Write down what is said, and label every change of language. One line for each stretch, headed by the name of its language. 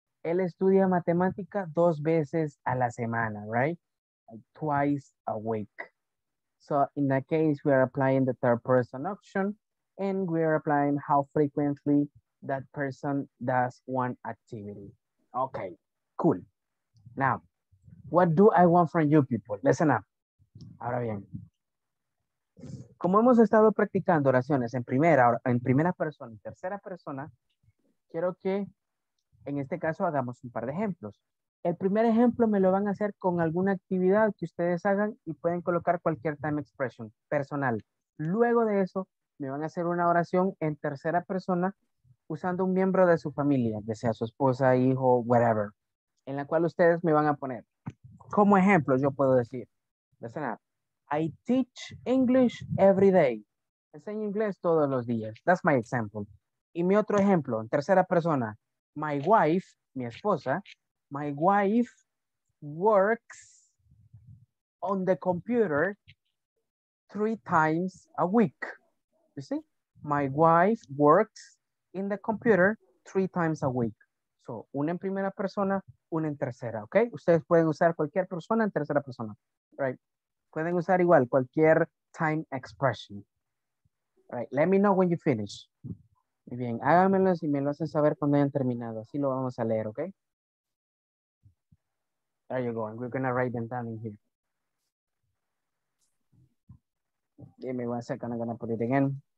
Spanish: Él estudia matemática dos veces a la semana, right?
English: Like, twice a week. So, in that case, we are applying the third person option, and we are applying how frequently that person does one activity. Okay, cool. Now, what do I want from you people? Listen up.
Spanish: Ahora bien. Como hemos estado practicando oraciones en primera persona y tercera persona, quiero que en este caso hagamos un par de ejemplos. El primer ejemplo me lo van a hacer con alguna actividad que ustedes hagan y pueden colocar cualquier time expression personal. Luego de eso, me van a hacer una oración en tercera persona usando un miembro de su familia, ya sea su esposa, hijo, whatever, en la cual ustedes me van a poner. Como ejemplo, yo puedo decir,
English: listen up. I teach English every day.
Spanish: Enseño inglés todos los días.
English: That's my example.
Spanish: Y mi otro ejemplo, en tercera persona.
English: My wife,
Spanish: mi esposa,
English: my wife works on the computer 3 times a week. You see? My wife works in the computer 3 times a week.
Spanish: So, una en primera persona, una en tercera, okay? Ustedes pueden usar cualquier persona en tercera persona, right? Pueden usar igual cualquier time expression.
English: All right, let me know when you finish.
Spanish: Muy bien, háganmelo si me lo hacen saber cuando hayan terminado. Así lo vamos a leer, okay?
English: There you go, and we're gonna write them down in here. Give me 1 second, I'm gonna put it again.